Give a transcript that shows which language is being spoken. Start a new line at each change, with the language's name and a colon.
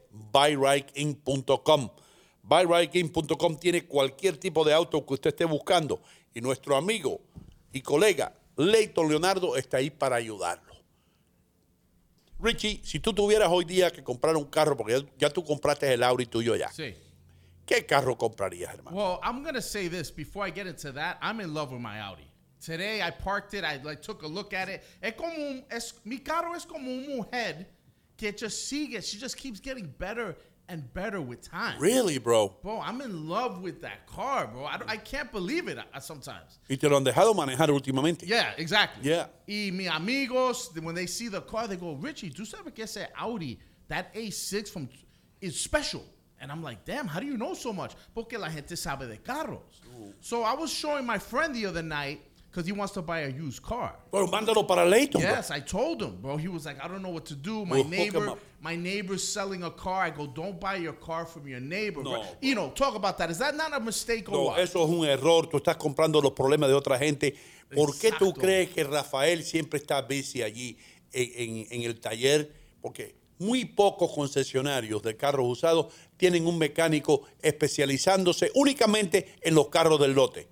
Spanish: BuyRightIn.com. BuyRightIn.com tiene cualquier tipo de auto que usted esté buscando. Y nuestro amigo y colega, Leighton Leonardo, está ahí para ayudarlo. Richie, si tú tuvieras hoy día que comprar un carro, porque ya tú compraste el Audi tuyo ya. Sí. ¿Qué carro comprarías, hermano?
English: Well, I'm going to say this before I get into that. I'm in love with my Audi. Today I parked it, I like took a look at it.
Spanish: Mi carro es como un mujer.
English: She just keeps getting better and better with time. Really, bro? Bro, I'm in love with that car, bro. I can't believe it sometimes.
Spanish: Y te lo han dejado manejar últimamente.
English: Yeah, exactly. Yeah.
Spanish: Y mi amigos,
English: when they see the car, they go, Richie,
Spanish: ¿tú sabes que ese Audi,
English: that A6 is special? And I'm like, damn, how do you know so much?
Spanish: Porque la gente sabe de carros.
English: Ooh. So I was showing my friend the other night, because he wants to buy a used car.
Spanish: Bueno, mándalo para Leighton.
English: Yes, bro. I told him, bro. He was like, I don't know what to do. My neighbor's selling a car. I go, don't buy your car from your neighbor. No, bro. You know, talk about that. Is that not a mistake or no, what?
Spanish: No, eso es un error. Tú estás comprando los problemas de otra gente. ¿Por Exacto. qué tú crees que Rafael siempre está busy allí en el taller? Porque muy pocos concesionarios de carros usados tienen un mecánico especializándose únicamente en los carros del lote.